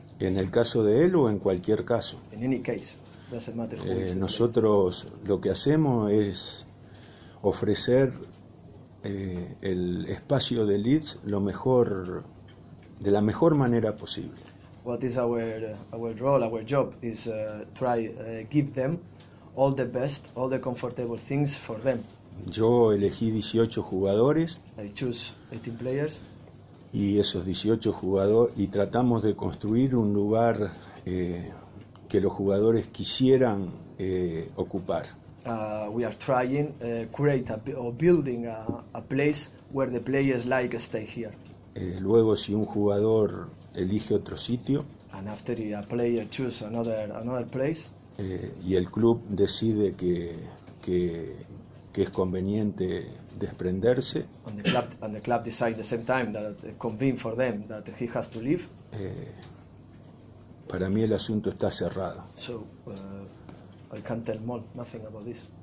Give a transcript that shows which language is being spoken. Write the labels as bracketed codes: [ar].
[es] En el caso de él o en cualquier caso. [en] In any case, doesn't matter who is. [es] Nosotros lo que hacemos es ofrecer el espacio de Leeds de la mejor manera posible. [en] What is our role, our job is try give them all the best, all the comfortable things for them. [es] Yo elegí 18 jugadores. [en] I choose 18 players. [es] Y esos 18 jugadores, y tratamos de construir un lugar que los jugadores quisieran ocupar. [en] We are trying to create or building a place where the players like stay here. [es] Luego, si un jugador elige otro sitio, [en] and after a player choose another place, [es] y el club decide que es conveniente desprenderse, [en] and the club decide at the same time that convene for them that he has to leave. [es] Para mí el asunto está cerrado. [en] So, I can't tell more, nothing about this.